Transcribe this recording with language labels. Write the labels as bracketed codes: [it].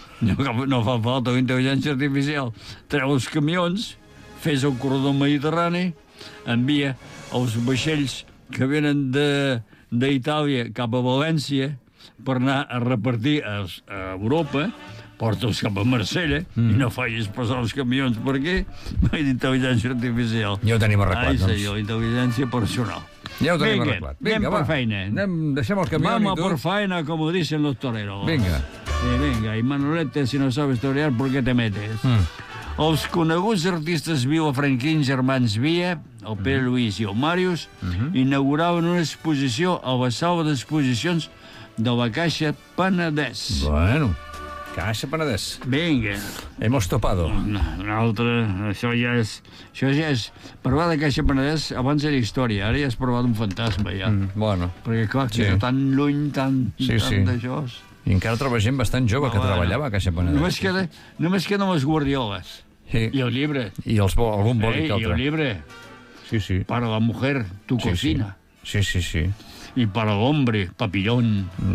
[ca] No fa falta intel·ligència artificial. Treu els camions, fes el corredor mediterrani, envia els vaixells que venen d'Itàlia cap a València per anar a repartir a Europa, porta'ls cap a Marsella i no facis passar els camions per aquí, no hi ha intel·ligència artificial. Ja ho tenim arreglat, doncs. Ai, senyor, intel·ligència personal. Ja ho tenim arreglat. Vinga, anem per feina. Deixem els camions i tu... [es] Vamos por feina, como dicen los toreros. [ca] Vinga. [es] Sí, [ca] vinga, i [es] Manolete, si no sabes torear, ¿por qué te metes? [ca] Els coneguts artistes vilafranquins germans Via, el Pere Lluís i el Màrius, inauguraven una exposició a la sala d'exposicions de la Caixa Penedès. Bueno, Caixa Penedès. Vinga. [es] Hemos topado. [ca] Una altra, això ja és... Això ja és... Parlar de Caixa Penedès abans era història, ara ja has parlat d'un fantasma, ja. Bueno. Perquè, clar, que tan lluny, tan d'això... I encara troba gent bastant jove que treballava a Caixa Penedès. Només queden les guardioles. Sí. I el llibre. I els, algun boli que altre. I el llibre. Sí, sí. [es] Para la mujer, tu sí, cocina. Sí. Sí. I para el hombre, papillón.